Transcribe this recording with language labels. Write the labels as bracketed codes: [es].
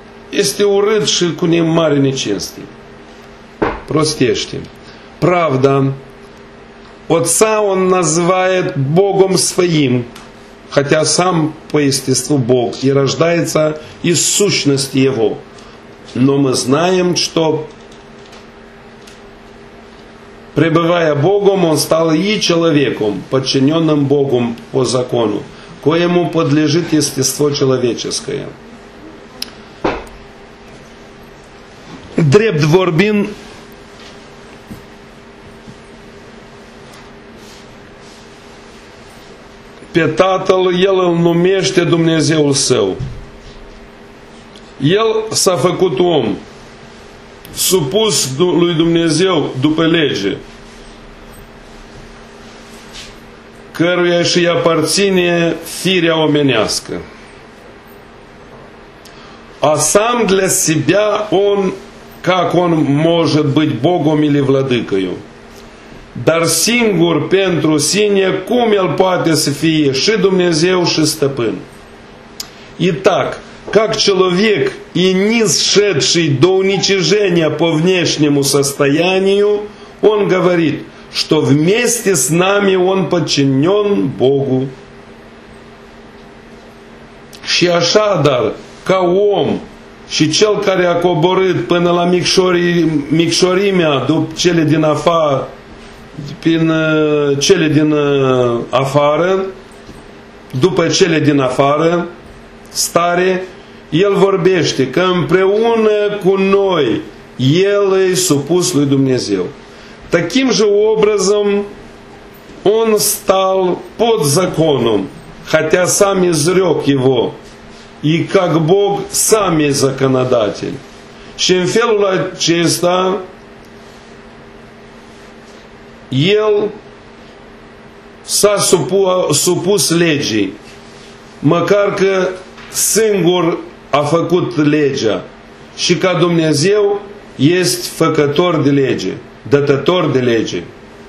[ro] Este urât și cu nemare necinstie. Prostește. [ru] Правда, Отца Он называет Богом Своим, хотя Сам по естеству Бог и рождается из сущности Его. Но мы знаем, что пребывая Богом, Он стал и человеком, подчиненным Богом по закону, коему подлежит естество человеческое. [ro] Drept vorbind, pe Tatăl El îl numește Dumnezeul Său. El s-a făcut om, supus lui Dumnezeu după lege, căruia și îi aparține firea omenească. [ru] А сам для себя он, как он может быть Богом или Владыкою? [ro] Dar singur pentru sine, cum el poate să fie și Dumnezeu și Stăpân? [ru] И так, как человек и низшедший до уничижения по внешнему состоянию, он говорит, что вместе с нами он подчинен Богу. [ro] Și așa, dar, ca om și cel care a coborât până la micșorimea după cele din afară, prin cele din afară, după cele din afară, stare, El vorbește că împreună cu noi El e supus lui Dumnezeu. [ru] Таким же образом Он стал под законом, хотя Сам изрек Его, и как Бог Сам и законодатель. [ro] Și în felul acesta El s-a supus legii, măcar că singur a făcut legea și ca Dumnezeu este făcător de lege, dătător de lege.